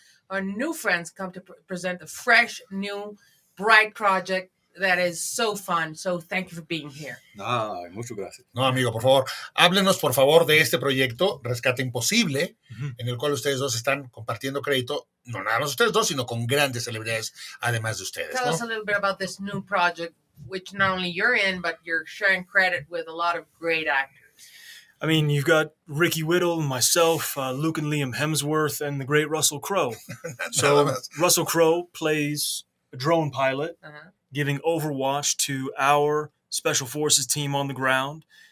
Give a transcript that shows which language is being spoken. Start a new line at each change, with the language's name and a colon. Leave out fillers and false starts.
English: Our new friends come to present a fresh, new, bright project that is so fun. So thank you for being here.
Spanish: Ay, muchas gracias. No, amigo, por favor, háblenos por favor de este proyecto Rescate Imposible, en el cual ustedes dos están compartiendo crédito, no nada más ustedes dos, sino con grandes celebridades además de ustedes.
English: Tell us a little bit about this new project. Which not only you're in, but you're sharing credit with a lot of great actors. I mean, you've got Ricky Whittle, myself, Luke and Liam Hemsworth, and the great Russell Crowe. So Russell Crowe plays a drone pilot giving overwatch to our Special Forces team on the ground.